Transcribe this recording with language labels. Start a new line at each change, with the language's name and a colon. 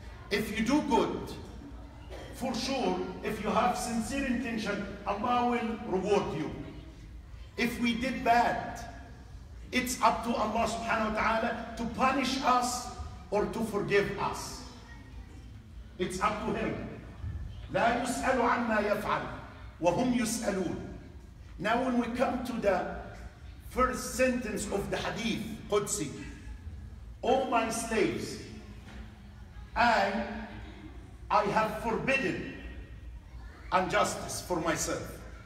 English: If you do good, for sure, if you have sincere intention, Allah will reward you. If we did bad, it's up to Allah subhanahu wa ta'ala to punish us or to forgive us. It's up to Him.
Arabic: لا يسألوا عما يفعل وهم يسألون.
English: Now when we come to the first sentence of the hadith, Qudsi, all my slaves, I have forbidden injustice for myself.